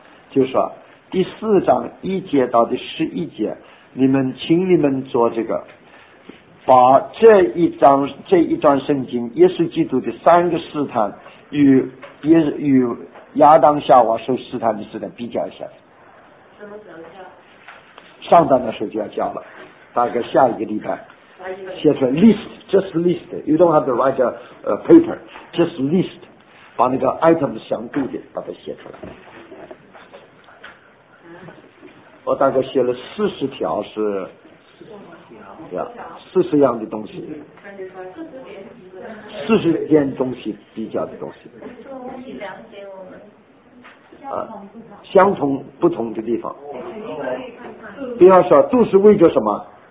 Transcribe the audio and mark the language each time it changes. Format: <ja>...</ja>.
<zh>就是说第四章一节到第十一节，你们请你们做这个，把这一章圣经耶稣基督的三个试探与亚当夏娃受试探的试探比较一下。什么时候叫？上章的时候就要叫了，大概下一个礼拜。写出来</zh> <en>list, just list, you don't have to write a paper, just list,</en> <zh>把那个 item 详度的把它写出来。我大概写了四十条是四十样的东西，四十件东西比较的东西。你说问题两点，我们相同不同的地方，比方说都是为着什么</zh>